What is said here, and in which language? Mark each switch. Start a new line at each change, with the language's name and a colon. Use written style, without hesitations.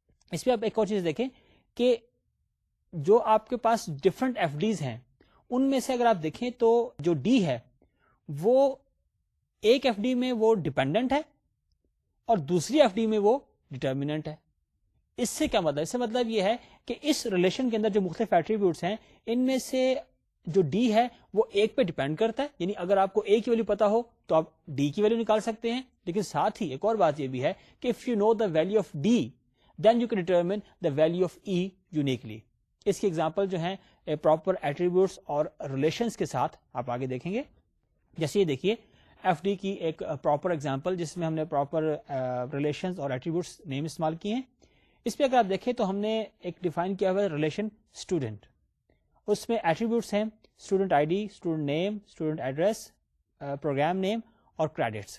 Urdu: اس پہ آپ ایک اور چیز دیکھیں کہ جو آپ کے پاس ڈفرنٹ ایف ڈیز ہیں ان میں سے اگر آپ دیکھیں تو جو ڈی ہے وہ ایک ایف ڈی میں وہ ڈیپینڈنٹ ہے اور دوسری ایف ڈی میں وہ ڈیٹرمیننٹ ہے. اس سے کیا مطلب؟ اس سے مطلب یہ ہے کہ اس ریلیشن کے اندر جو مختلف ایٹریبیوٹس ہیں ان میں سے جو ڈی ہے وہ ایک پہ ڈیپینڈ کرتا ہے. یعنی اگر آپ کو اے کی ویلیو پتا ہو تو آپ ڈی کی ویلیو نکال سکتے ہیں, لیکن ساتھ ہی ایک اور بات یہ بھی ہے کہ
English: If you know the value of D then you can determine the value of E uniquely.
Urdu: اس کی ایگزامپل جو ہیں پراپر ایٹریبیوٹس اور ریلیشنس کے ساتھ آپ آگے دیکھیں گے. جیسے یہ دیکھیے ایف ڈی کی ایک پراپر ایگزامپل جس میں ہم نے پراپر ریلیشنس اور ایٹریبیوٹس نیم استعمال کیے ہیں. اس پہ اگر آپ دیکھیں تو ہم نے ایک ڈیفائن کیا ہوا ہے ریلیشن اسٹوڈنٹ, اس میں ایٹریبیوٹس ہیں student I D, student name, student address, program name اور کریڈٹس.